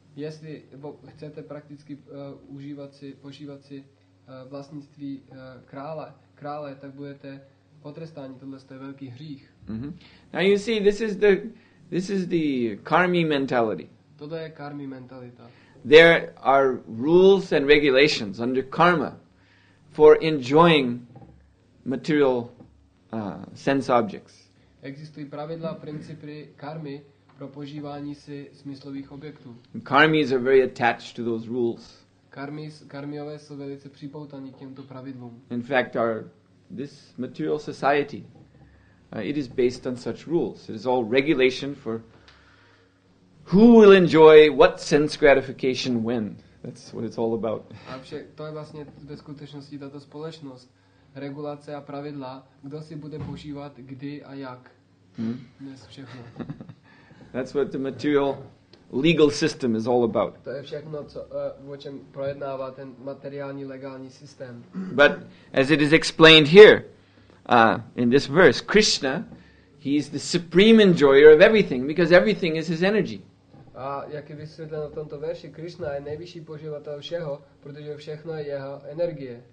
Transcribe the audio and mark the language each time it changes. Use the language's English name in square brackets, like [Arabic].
[Czech] Jestli chcete prakticky požívat si vlastnictví krále, tak budete potrestáni. Tohle je velký hřích. Mm-hmm. [English] Now you see, this is the karmi mentality. [Czech] Tohle je karmi mentalita. [English] There are rules and regulations under karma for enjoying material sense objects. [Czech] Existují pravidla, principy karmy pro požívání si smyslových objektů. [English] Karmis are very attached to those rules. [Czech] Karmiové jsou velice připoutaní k těmto pravidlům. [English] In fact, this material society, it is based on such rules. It is all regulation for who will enjoy what sense gratification when. That's what it's all about. [Czech] A však to je vlastně ve skutečnosti tato společnost. Regulace a pravidla, kdo si bude požívat, kdy a jak. Dnes všechno. [English] That's what the material legal system is all about. [Czech] To je všechno, o čem projednává ten materiální legální systém. [English] But as it is explained here, in this verse, Krishna, he is the supreme enjoyer of everything, because everything is his energy. [Czech] A jak je vysvětleno v tomto verši, Krishna je nejvyšší poživatel všeho, protože všechno je jeho energie.